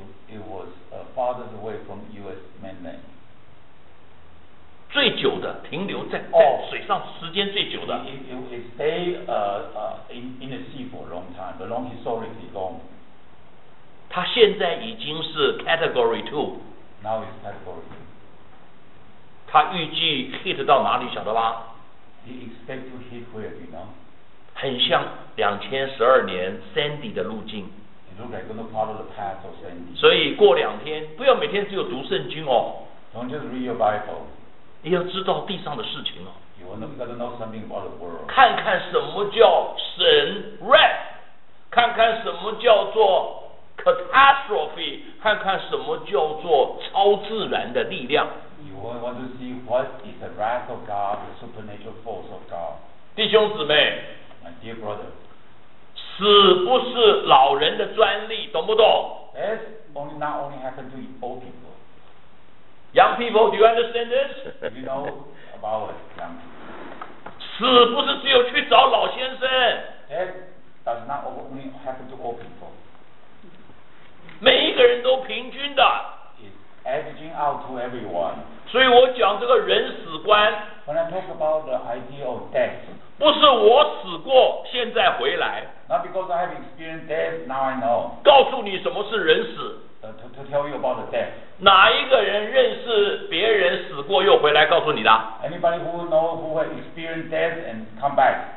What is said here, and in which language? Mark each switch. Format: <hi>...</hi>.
<en>It was farthest away from U.S. mainland</en> <zh>最久的停留在水上时间最久的</zh> <en>it stay in the sea for a long time the long historically long</en> <zh>它现在已经是 category 2</zh> <en>now it's category 2</en> <zh>它预计 hit 到哪里晓得吧</zh> <en>he expect to hit where you know</en> <zh>很像 2012年 Sandy 的路径</zh> <en>it look like going to follow the path of Sandy</en> <zh>所以过两天 不要每天只有读圣经哦</zh> <en>don't just read your bible</en> <zh>你要知道地上的事情哦</zh> <en>You want to know something about the world</en> <zh>看看什么叫神 wrath 看看什么叫做 catastrophe 看看什么叫做超自然的力量</zh> <en>You want to see what is the wrath of God the supernatural force of God</en> <zh>弟兄姊妹</zh> <en>My dear brother</en> <zh>死不是老人的专利 懂不懂</zh> <en>That's only, not only happened to old people Young people, do you understand this? You know about it, young people.</en> <zh>死不是只有去找老先生。</zh> <en>That does not only happen to all people.</en> <zh>每一个人都平均的。</zh> <en>It's averaging out to everyone.</en> <zh>所以我讲这个人死观。</zh> <en>When I talk about the idea of death.</en> <zh>不是我死过,现在回来。</zh> <en>Not because I have experienced death, now I know.</en> <zh>告诉你什么是人死。</zh> <en>To tell you about the death.</en> <zh>哪一个人认识别人死过又回来告诉你的</zh> <en>Anybody who know who has experienced death and come back</en>